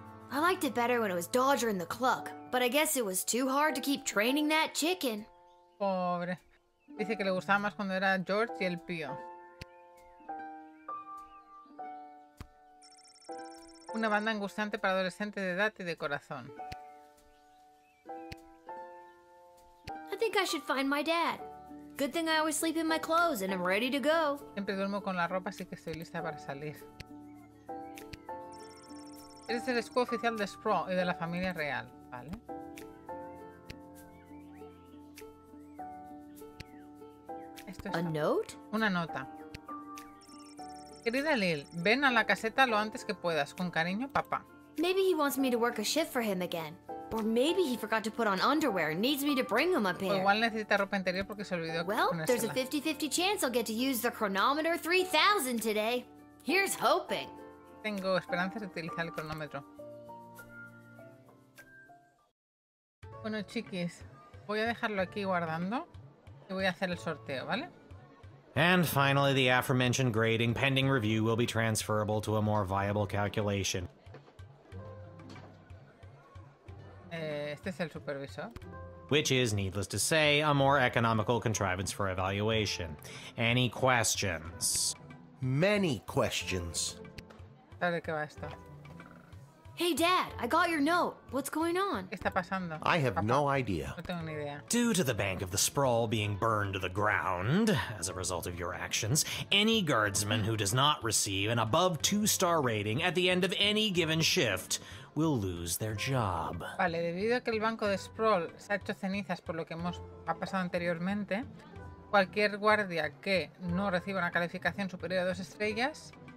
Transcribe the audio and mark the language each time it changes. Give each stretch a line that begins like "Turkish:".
English: I liked it better when it was Dodger and the Cluck, but I guess it was too hard to keep training that chicken.
Spanish: Pobre. Dice que le gustaba más cuando era George y el Pío. Una banda angustiante para adolescentes de edad y de corazón.
English: I think I should find my dad. Good thing I always sleep in my clothes and I'm ready to go.
Spanish: Siempre duermo con la ropa, así que estoy lista para salir. Eres el escudo oficial de Sprawl y de la familia real, ¿vale? Esto es
English: a note?
Spanish: Una nota. Querida Lil, ven a la caseta lo antes que puedas, con cariño, papá.
English: Maybe he wants me to work a shift for him again. Or maybe he forgot to put on underwear and needs me to bring him up here.
Spanish: O igual necesita ropa interior porque se olvidó.
English: Well, there's a 50-50 chance I'll get to use the chronometer 3000 today. Here's hoping.
Spanish: Tengo esperanzas de utilizar el cronómetro. Bueno, chiquis, voy a dejarlo aquí guardando y voy a hacer el sorteo, ¿vale?
English: And finally, the aforementioned grading pending review will be transferable to a more viable calculation.
Spanish: Este es el supervisor.
English: Which is, needless to say, a more economical contrivance for evaluation. Any questions? Many questions. Hey, Dad, I got your note. What's going on?
Spanish: ¿Qué está pasando?
English: I have
Spanish: Papa.
English: No idea.
Spanish: No tengo ni idea.
English: Due to the Bank of the Sprawl being burned to the ground as a result of your actions, any guardsman who does not receive an above 2-star rating at the end of any given shift will lose their job.
Spanish: Vale, debido a que el Banco de Sprawl se ha hecho cenizas por lo que hemos ha pasado anteriormente, cualquier guardia que no reciba una calificación superior a 2 estrellas...